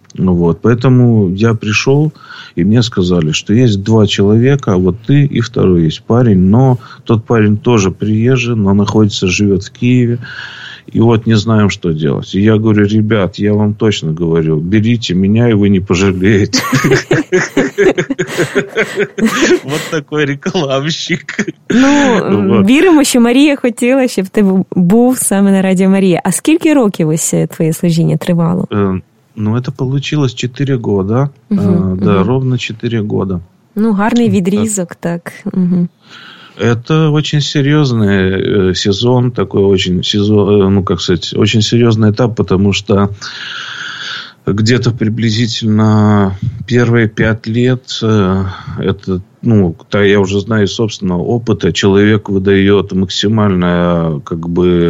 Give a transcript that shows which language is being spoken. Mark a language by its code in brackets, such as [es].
[ru] Ну вот, поэтому я пришел, и мне сказали, что есть два человека, вот ты и второй есть парень, но тот парень тоже приезжий, но находится, живет в Киеве, и вот не знаем, что делать. И я говорю: ребят, я вам точно говорю, берите меня, и вы не пожалеете. Вот такой рекламщик. [uk] Ну, віримо, що Марія хотіла, щоб ти був саме на Радіо Марія. А скільки років ось твоє служіння тривало? [ru] Ну, это получилось 4 года, ровно 4 года. [uk] Ну, гарний відрізок, так. [ru] Это очень серьезный сезон, такой очень сезон, ну, как сказать, очень серьезный этап, потому что где-то приблизительно первые 5 лет, это, ну, я уже знаю из собственного опыта, человек выдает максимальное, как бы...